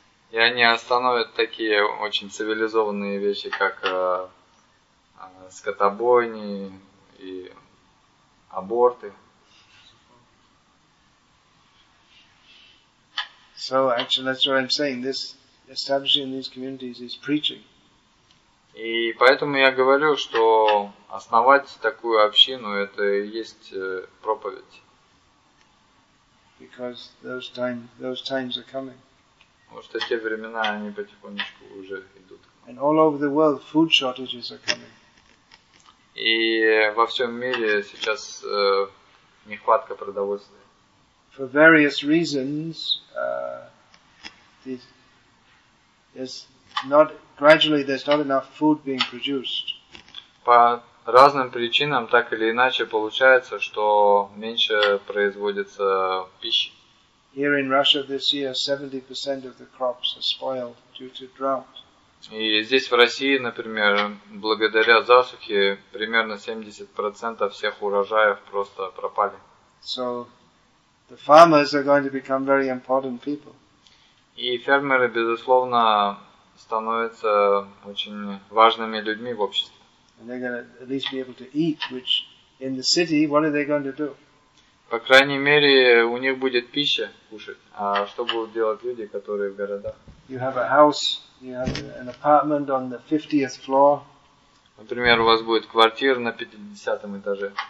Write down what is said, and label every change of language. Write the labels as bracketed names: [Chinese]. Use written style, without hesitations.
[Russian] И они остановят такие очень цивилизованные вещи, как скотобойни и аборты. [English] So actually, that's what I'm saying. This establishing these communities is preaching. [Russian] И поэтому я говорю, что основать такую общину – это и есть проповедь. [English] Because those times are coming. [Russian] Потому что те времена, они потихонечку уже идут. [English] And all over the world, food shortages are coming. [Russian] И во всем мире сейчас нехватка продовольствия. [English] For various reasons, there's not enough food being produced. [Russian] По разным причинам, так или иначе, получается, что меньше производится пищи. [English] Here in Russia this year, 70% of the crops are spoiled due to drought. [Russian] И здесь в России, например, благодаря засухе примерно 70% всех урожаев просто пропали. [English] So the farmers are going to become very important people. [Russian] И фермеры, безусловно, становятся очень важными людьми в обществе. [English] And they're going to at least be able to eat, which in the city, what are they going to do? [Russian] По крайней мере, у них будет пища кушать. А что будут делать люди, которые в городах? [English] You have a house, you have an apartment on the 50th floor. [Russian] Например, у вас будет квартира на 50-м этаже.